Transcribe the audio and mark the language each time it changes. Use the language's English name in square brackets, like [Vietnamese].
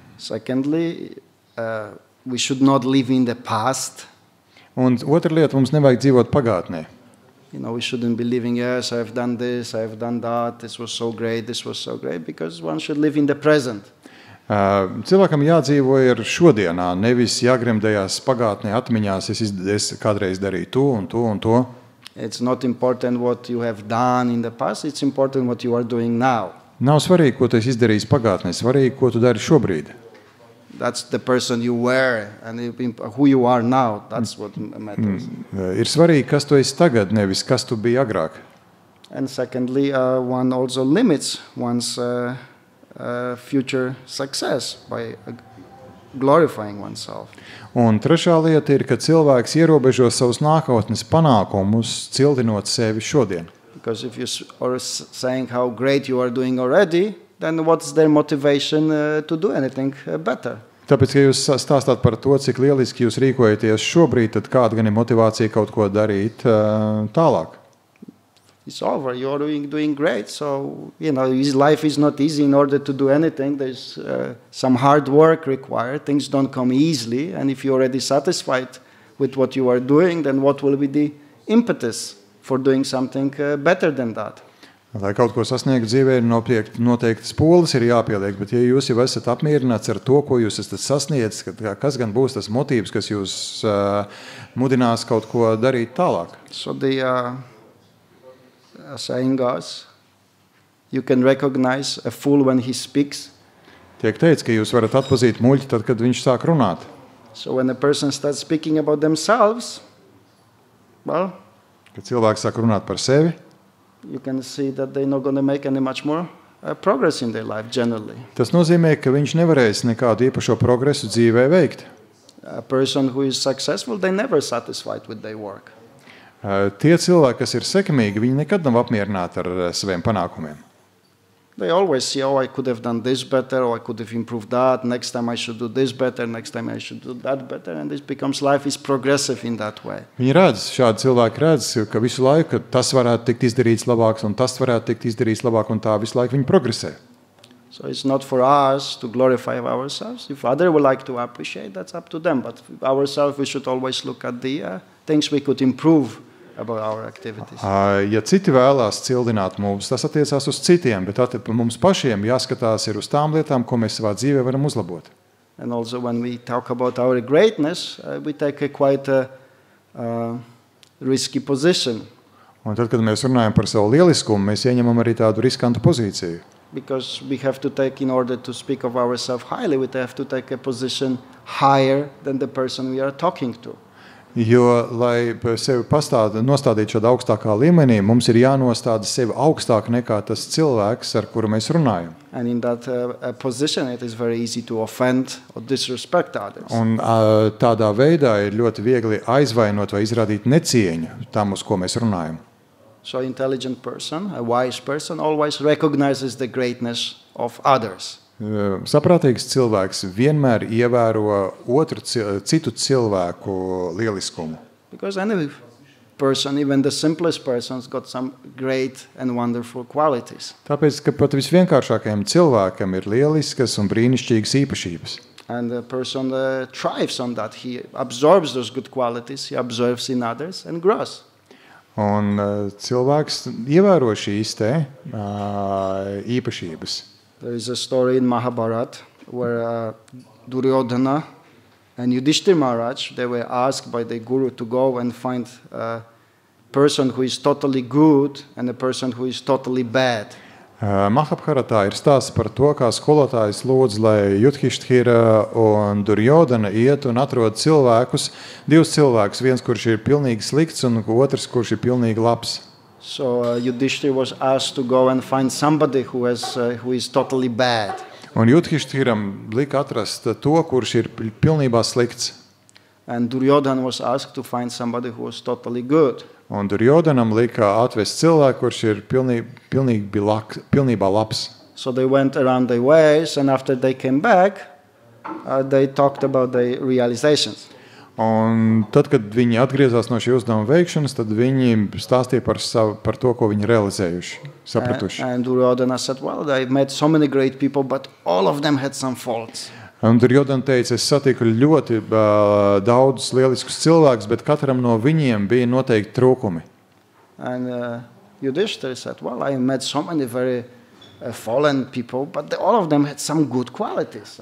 [English] Secondly, we should not live in the past. [Latvian] Un otra lieta, mums nevajag dzīvot pagātnē. [English] You know, we shouldn't be living, yes, I've done this, I've done that, this was so great, because one should live in the present. [Latvian] Cilvēkam jādzīvo ir šodienā, nevis jāgrimdējās pagātnē atmiņās, es kādreiz darīju to un to un to. [English] It's not important what you have done in the past, it's important what you are doing now. [Latvian] Nav svarīgi, ko tu esi izdarījis pagātnē, svarīgi, ko tu dari šobrīd. [English] That's the person you were and who you are now, that's what matters. [Latvian] Ir svarīgi, kas tu esi tagad, nevis kas tu biji agrāk. [English] And secondly, one also limits one's future success by glorifying oneself. [Latvian] Un trešā lieta ir, ka cilvēks ierobežo savus nākotnes panākumus, cildinot sevi šodien. [English] Because if you are saying how great you are doing already, then what's their motivation to do anything better? [Latvian] Tāpēc, ka jūs stāstāt par to, cik lieliski jūs rīkojaties šobrīd, tad kāda gan ir motivācija kaut ko darīt tālāk? [English] It's over. You're doing great. So, you know, his life is not easy in order to do anything. There's some hard work required. Things don't come easily. And if you're already satisfied with what you are doing, then what will be the impetus for doing something better than that? [Latvian] Lai kaut ko sasniegtu dzīvē, noteikti spoles ir jāpieliek, bet ja jūs jau esat apmierināts ar to, ko jūs esat sasniedzis, kas gan būs tas motīvs, kas jūs mudinās kaut ko darīt tālāk? [English] So the saying goes, you can recognize a fool when he speaks. [Latvian] Tiek teica, ka jūs varat atpazīt muļķi tad, kad viņš sāk runāt. [English] So when a person starts speaking about themselves, well, [Latvian] kad cilvēks sāk runāt par sevi, [English] you can see that they're not going to make any much more progress in their life generally. [Latvian] Tas nozīmē, ka viņš nevarēs nekādu īpašo progresu dzīvē veikt. [English] A person who is successful, they never satisfied with their work. [Latvian] Tie cilvēki, kas ir sekmīgi, viņi nekad nav apmierināti ar saviem panākumiem. [English] They always say, oh, I could have done this better, or I could have improved that, next time I should do this better, next time I should do that better, and this becomes life is progressive in that way. [Latvian] Viņi redz, šādi cilvēki redz, ka visu laiku ka tas varētu tikt izdarīts labāks, un tas varētu tikt izdarīts labāk, un tā visu laiku viņi progresē. [English] So it's not for us to glorify ourselves. If others would like to appreciate, that's up to them, but ourselves, we should always look at the things we could improve. About our activities. [Latvian] Ja citi vēlās cildināt mums, tas attiecās uz citiem, bet mums pašiem jāskatās ir uz tām lietām, ko mēs savā dzīvē varam uzlabot. [English] And also when we talk about our greatness, we take a quite risky position. [Latvian] Un tad, kad mēs runājam par savu lieliskumu, mēs ieņemam arī tādu riskantu pozīciju. [English] Because we have to take, in order to speak of ourselves highly, we have to take a position higher than the person we are talking to. [Latvian] Jo, lai sevi nostādītu šādu augstākā līmenī, mums ir jānostāda sevi augstāk nekā tas cilvēks, ar kuru mēs runājam. [English] And in that position it is very easy to offend or disrespect others. [Latvian] Un tādā veidā ir ļoti viegli aizvainot vai izrādīt necieņu tam, uz ko mēs runājam. [English] So intelligent person, a wise person, always recognizes the greatness of others. [Latvian] Saprātīgs cilvēks vienmēr ievēro otru citu cilvēku lieliskumu. [English] Because any person, even the simplest person, has got some great and wonderful qualities. [Latvian] Tāpēc, ka pat visvienkāršākajam cilvēkam ir lieliskas un brīnišķīgas īpašības. [English] And the person thrives on that. He absorbs those good qualities, he absorbs in others and grows. [Latvian] Un cilvēks ievēro šīs te īpašības. [English] There is a story in Mahabharata where Duryodhana and Yudhishthira Maharaj, they were asked by their guru to go and find a person who is totally good and a person who is totally bad. [Latvian] Mahabharata ir stāsts par to, kā skolotājs lūdz, lai Yudhishthira un Duryodhana iet un atrod cilvēkus, divus cilvēkus, viens, kurš ir pilnīgi slikts un otrs, kurš ir pilnīgi labs. [English] So Yudhishthira was asked to go and find somebody who is totally bad. [Latvian] Un Yudhishthiram lika atrast to, kurš ir pilnībā slikts. [English] And Duryodhana was asked to find somebody who was totally good. [Latvian] Un Duryodhanam lika atvest cilvēku, kurš ir pilnībā labs. [English] So they went around their ways and after they came back, they talked about their realizations. [Latvian] Un tad, kad viņi atgriezās no šī uzdevuma veikšanas, tad viņi stāstīja par to, ko viņi realizējuši, sapratuši. [English] And Duryodhana said, well, I met so many great people, but all of them had some faults. [Latvian] Un Duryodhana teica, es satiku ļoti daudz lieliskus cilvēkus, bet katram no viņiem bija noteikti trūkumi. [English] And Yudhishthira said, well, I met so many very fallen people, but all of them had some good qualities.